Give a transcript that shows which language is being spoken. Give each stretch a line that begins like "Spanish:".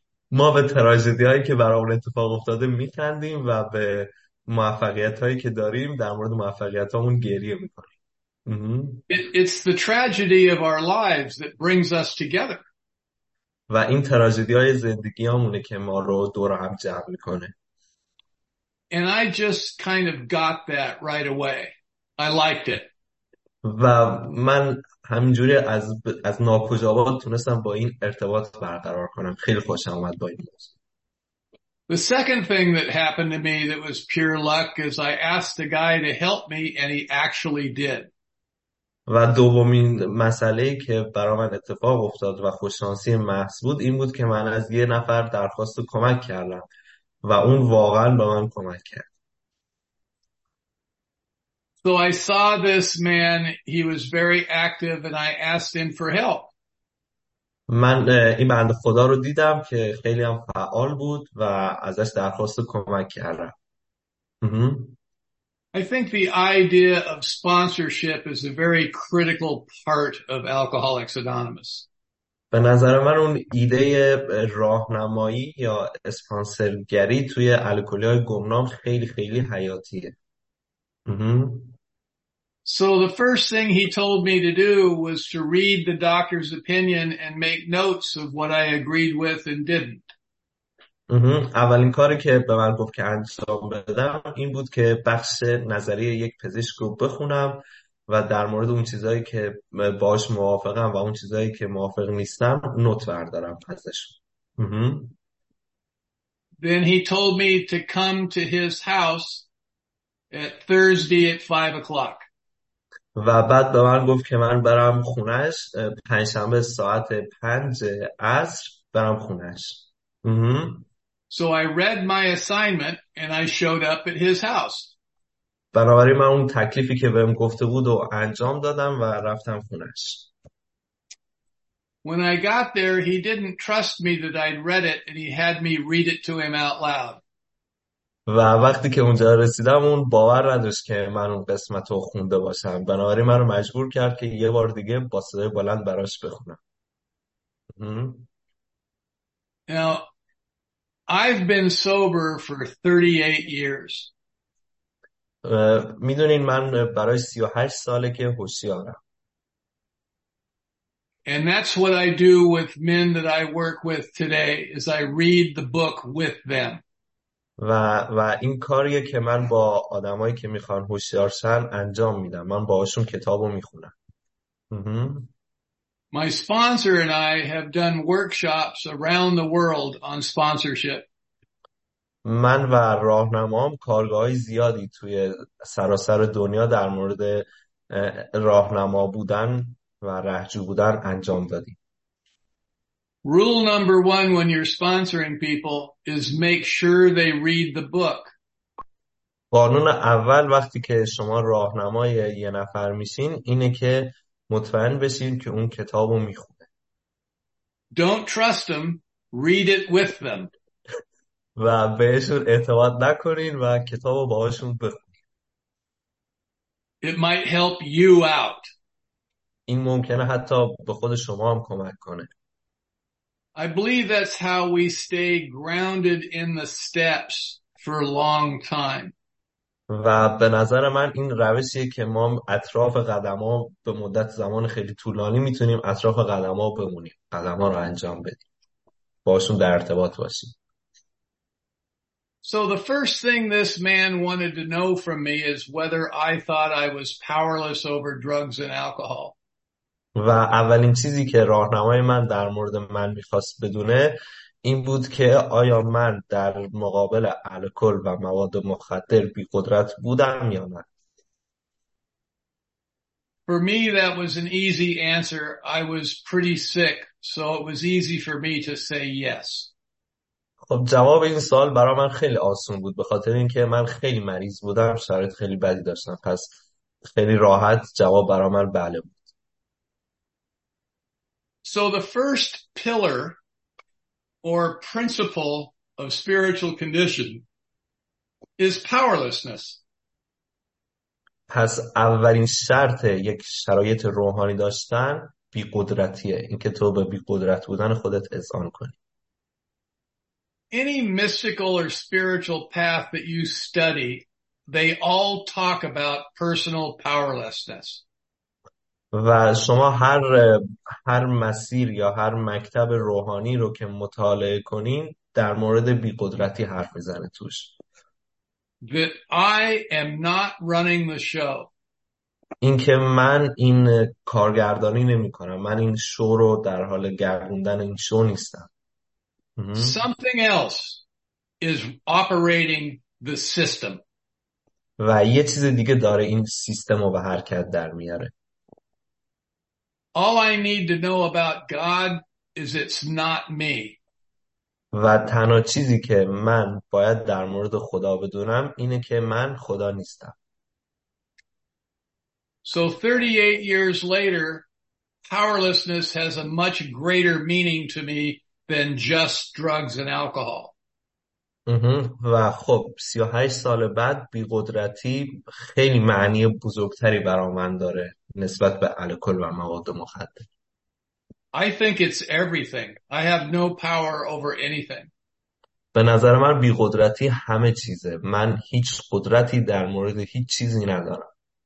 Persian: ما به تراژدی‌هایی که برامون اتفاق افتاده می‌خندیم و به موفقیت‌هایی که داریم در مورد موفقیت‌هامون گریه می‌کنیم.
English: It's the tragedy of our lives that brings us together.
Persian: و این تراژدی‌های زندگی‌مونه که ما رو دور هم جمع می‌کنه.
English: And I just kind of got that right away. I liked it.
Persian: و من همینجوری از ناکجا آباد تونستم با این ارتباط برقرار کنم. خیلی خوشم اومد با این موضوع.
English: The second thing that happened to me that was pure luck is I asked a guy to help me and he actually did.
Persian: و دومین مسئله که برای من اتفاق افتاد و خوششانسی محض بود این بود که من از یه نفر درخواست کمک کردم و اون واقعا به من کمک کرد.
English: So I saw this man, he was very active and I asked him for help.
Persian: من این بنده خدا رو دیدم که خیلی هم فعال بود و ازش درخواست کمک کردم.
English: I think the idea of sponsorship is a very critical part of Alcoholics Anonymous.
Persian: به نظر من اون ایده راهنمایی یا اسپانسرگری توی الکلی‌های گمنام خیلی خیلی حیاتیه.
English: So the first thing he told me to do was to read the doctor's opinion and make notes of what I agreed with and didn't.
Persian: اولین کاری که به من گفت که انجام بدم این بود که بخش نظری یک پزشک رو بخونم و در مورد اون چیزایی که باش موافقم و اون چیزایی که موافق نیستم نوت بردارم ازش.
English: Then he told me to come to his house at Thursday at 5 o'clock.
Persian: و بعد به من گفت که من برم خونش پنجشنبه ساعت 5 عصر برم خونش.
English: So I read my assignment and I showed up at his house.
Persian: بنابراین من اون تکلیفی که بهم گفته بود و انجام دادم و رفتم خونش.
English: When I got there, he didn't trust me that I'd read it and he had me read it to him out loud.
Persian: و وقتی که اونجا رسیدم اون باور نداشت که من اون قسمت رو خونده باشم. بنابراین من رو مجبور کرد که یه بار دیگه با صدای بلند براش بخونم.
English: Now, I've been sober for 38 years.
Persian: میدونین من برای 38 ساله که هوشیارم.
English: And that's what I do with men that I work with today, is I read the book with them.
Persian: و این کاریه که من با آدمایی که میخوان هوشیارشن انجام میدم. من باهاشون کتابو میخونم.
English: My sponsor and I have done workshops around the world on sponsorship.
Persian: من و راهنمام کارگاه‌های زیادی توی سراسر دنیا در مورد راهنما بودن و رهجو بودن انجام دادیم.
English: Rule number one when you're sponsoring people is make sure they read the book.
Persian: قانون اول وقتی که شما راهنمای یه نفر میشین اینه که مطمئن بشین که اون کتابو میخونه.
English: Don't trust them, read it with them.
Persian: و بهشون اعتماد نکنین و کتاب رو باهاشون بخونین.
English: It might help you out.
Persian: این ممکنه حتی به خود شما هم کمک کنه.
English: I believe that's how we stay grounded in the steps for a long time.
Persian: و به نظر من این روشیه که ما اطراف قدم ها به مدت زمان خیلی طولانی میتونیم اطراف قدم ها بمونیم. قدم ها رو انجام بدیم. باهاشون در ارتباط باشیم.
English: So the first thing this man wanted to know from me is whether I thought I was powerless over drugs and alcohol.
Persian: و اولین چیزی که راهنمای من در مورد من می‌خواست بدونه این بود که آیا من در مقابل الکل و مواد مخدر بی‌قدرت بودم یا نه.
English: For me that was an easy answer. I was pretty sick, so it was easy for me to say yes.
Persian: خب جواب این سوال برای من خیلی آسون بود به خاطر اینکه من خیلی مریض بودم، شرایط خیلی بدی داشتم، پس خیلی راحت جواب برای من بله بود.
English: So the first pillar or principle of spiritual condition is powerlessness.
Persian: پس اولین شرط یک شرایط روحانی داشتن بی‌قدرتیه، اینکه تو به بی‌قدرت بودن خودت اذعان کنی.
English: Any mystical or spiritual path that you study, they all talk about personal powerlessness.
Persian: و شما هر مسیر یا هر مکتب روحانی رو که مطالعه کنین در مورد بی‌قدرتی حرف بزنه توش.
English: That I am not running the show.
Persian: اینکه من این کارگردانی نمی کنم، من این شو رو در حال گردوندن این شو نیستم.
English: Something else is operating the system.
Persian: و یه چیز دیگه داره این سیستم رو به حرکت در میاره.
English: All I need to know about God is it's not me.
Persian: و تنها چیزی که من باید در مورد خدا بدونم اینه که من خدا نیستم.
English: So 38 years later, powerlessness has a much greater meaning to me than just drugs and alcohol.
Persian: و خب 38 سال بعد بیقدرتی خیلی معنی بزرگتری برای من داره نسبت به الکل و مواد مخدر.
English: I think it's everything. I have no power over anything.
Persian: به نظر من بیقدرتی همه چیزه. من هیچ قدرتی در مورد هیچ چیزی ندارم.